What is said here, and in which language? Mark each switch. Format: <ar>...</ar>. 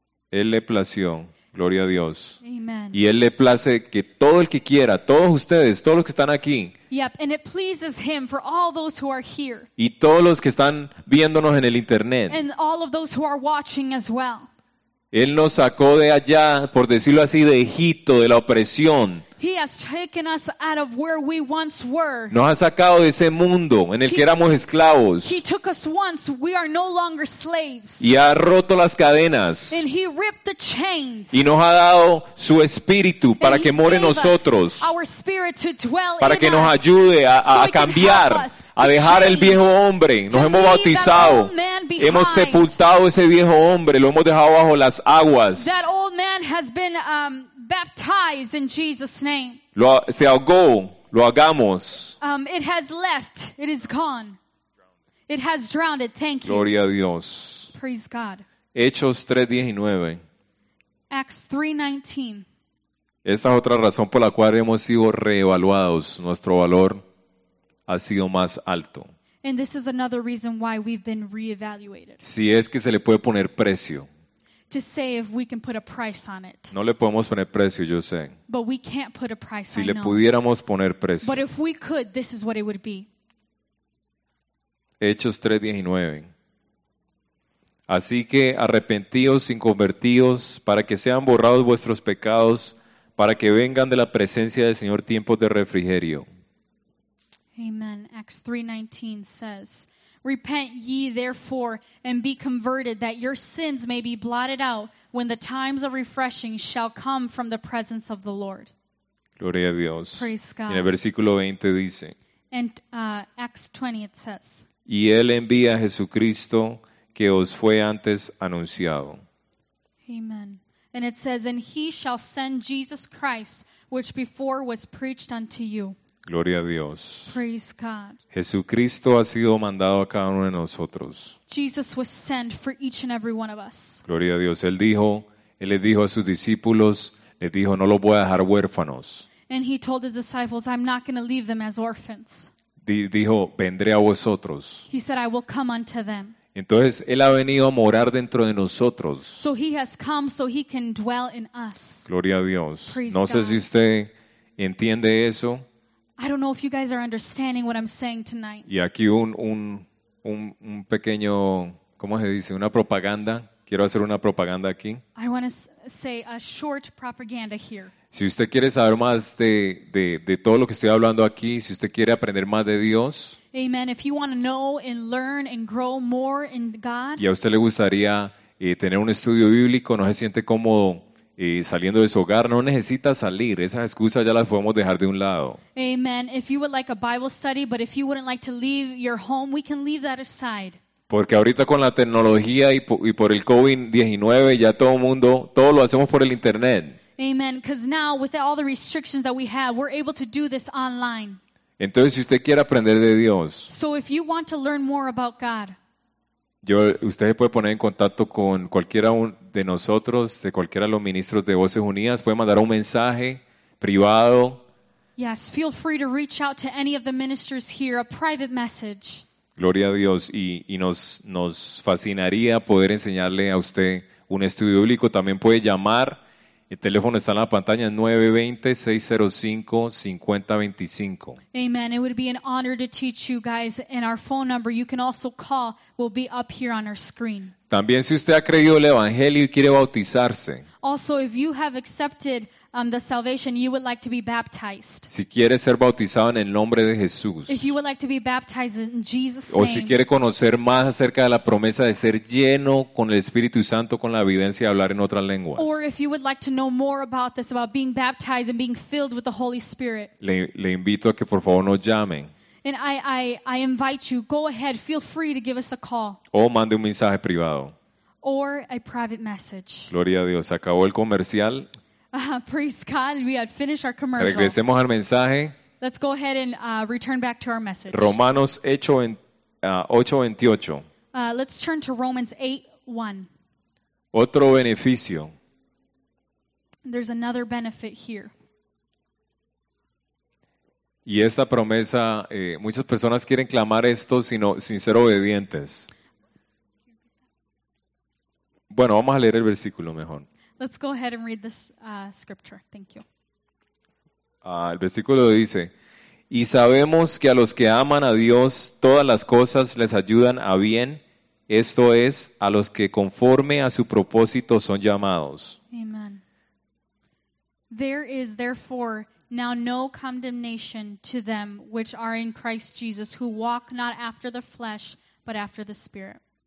<es>Él le plació, gloria a Dios. Amen. Y Él le place que todo el que quiera, todos ustedes, todos los que están aquí.</es> <en>Yep, and it pleases Him for all those who are here.</en> <es>Y todos los que están viéndonos en el internet.</es> <en>And all of those who are watching as well.</en> <es>Él nos sacó de allá, por decirlo así, de Egipto, de la opresión.</es> <en>He has taken us out of where we once were.</en> <es>Nos ha sacado de ese mundo en el que éramos esclavos.</es> <en>He took us once, we are no longer slaves.</en> <es>Y ha roto las cadenas.</es> <en>And He ripped the chains.</en> <es>Y nos ha dado su espíritu para que more en nosotros.</es> <en>Our spirit to dwell in us.</en> <es>Para que nos ayude a cambiar, a dejar el viejo hombre. Nos hemos bautizado. Hemos sepultado ese viejo hombre, lo hemos dejado bajo las aguas.</es> <en>That old man has been baptized in Jesus' name.</en> <es>Se ahogó, lo hagamos.</es> <en>It has left, it is gone. It has drowned, thank you.</en> <es>Gloria a Dios.</es> <en>Praise God.</en> <es>Hechos 3:19.</es> <en>Acts 3:19.</en> <es>Esta es otra razón por la cual hemos sido reevaluados. Nuestro valor ha sido más alto.</es> <en>And this is another reason why we've been reevaluated.</en> <es>Si es que se le puede poner precio.</es> <en>To say if we can put a price on it.</en> <es>No le podemos poner precio, yo sé.</es> <en>But we can't put a price on</en> <es>it. Si le pudiéramos poner precio.</es> <en>But if we could, this is what it would be.</en> <es>Hechos 3:19. Así que arrepentíos y convertíos para que sean borrados vuestros pecados, para que vengan de la presencia del Señor tiempos de refrigerio. Amen.</es> <en>Acts 3:19 says, repent ye therefore and be converted, that your sins may be blotted out, when the times of refreshing shall come from the presence of the Lord.</en> <es>Gloria a Dios.</es> <en>Praise God.</en> <es>Y en el versículo 20 dice.</es> <en>And Acts 20 it says.</en> <es>Y Él envía a Jesucristo que os fue antes anunciado. Amen.</es> <en>And it says, and he shall send Jesus Christ, which before was preached unto you.</en> <es>Gloria a Dios.</es> <en>Praise God.</en> <es>Jesucristo ha sido mandado a cada uno de nosotros.</es> <en>Jesus was sent for each and every one of us.</en> <es>Gloria a Dios. Él les dijo a sus discípulos, les dijo, no los voy a dejar huérfanos.</es> <en>And he told his disciples, I'm not going to leave them as orphans.</en> <es>Dijo, vendré a vosotros.</es> <en>He said, I will come unto them.</en> <es>Entonces, Él ha venido a morar dentro de nosotros.</es> <en>So he has come so he can dwell in us.</en> <es>Gloria a Dios.</es> <en>Praise</en> <es>no</es> <en>God.</en> <es>Sé si usted entiende eso.</es> <en>I don't know if you guys are understanding what I'm saying tonight.</en> <es>Y aquí un pequeño, ¿cómo se dice? Una propaganda. Quiero hacer una propaganda aquí.</es> <en>I want to say a short propaganda here.</en> <es>Si usted quiere saber más de todo lo que estoy hablando aquí, si usted quiere aprender más de Dios. Amen.</es> <en>If you want to know and learn and grow more in God.</en> <es>Y a usted le gustaría tener un estudio bíblico, no se siente cómodo. Saliendo de su hogar, no necesita salir. Esas excusas ya las podemos dejar de un lado. Amen.</es> <en>If you would like a Bible study, but if you wouldn't like to leave your home, we can leave that aside.</en> <es>Porque ahorita con la tecnología y por el COVID-19 ya todo lo hacemos por el internet. Amen.</es> <en>Because now with all the restrictions that we have, we're able to do this online.</en> <es>Entonces, si usted quiere aprender de Dios,</es> <en>so if you want to learn more about God.</en> <es>Usted se puede poner en contacto con cualquiera de nosotros, de cualquiera de los ministros de Voces Unidas. Puede mandar un mensaje privado.</es> <en>Yes, feel free to reach out to any of the ministers here, a private message.</en> <es>Gloria a Dios. Y nos fascinaría poder enseñarle a usted un estudio bíblico. También puede llamar. El teléfono está en la pantalla, 920-605-5025. Amen.</es> <en>It would be an honor to teach you guys. And our phone number, you can also call, will be up here on our screen.</en> <es>También si usted ha creído el Evangelio y quiere bautizarse.</es> <en>Also, if you have accepted the salvation, you would like to be baptized.</en> <es>Si quiere ser bautizado en el nombre de Jesús.</es> <en>If you would like to be baptized in Jesus' name.</en> <es>O si quiere conocer más acerca de la promesa de ser lleno con el Espíritu Santo, con la evidencia de hablar en otras lenguas.</es> <en>Or if you would like to know more about this, about being baptized and being filled with the Holy Spirit.</en> <es>Le invito a que por favor nos llamen.</es> <en>And I invite you, go ahead, feel free to give us a call.</en> <es>O mande un mensaje privado.</es> <en>Or a private message.</en> <es>Gloria a Dios, acabó el comercial.</es> <en>Praise God, we had finished our commercial.</en> <es>Regresemos al mensaje.</es> <en>Let's go ahead and return back to our message.</en> <es>Romanos 8:28.</es> <en>Let's turn to Romans 8:1.</en> <es>Otro beneficio.</es> <en>There's another benefit here.</en> <es>Y esta promesa, muchas personas quieren clamar esto sin ser obedientes. Bueno, vamos a leer el versículo mejor.</es> <en>Let's go ahead and read this scripture. Thank you.</en> <es>El versículo dice, y sabemos que a los que aman a Dios, todas las cosas les ayudan a bien. Esto es, a los que conforme a su propósito son llamados. Amen.</es> <en>There is therefore now no condemnation to them which are in Christ Jesus, who walk not after the flesh, but after the Spirit.</en>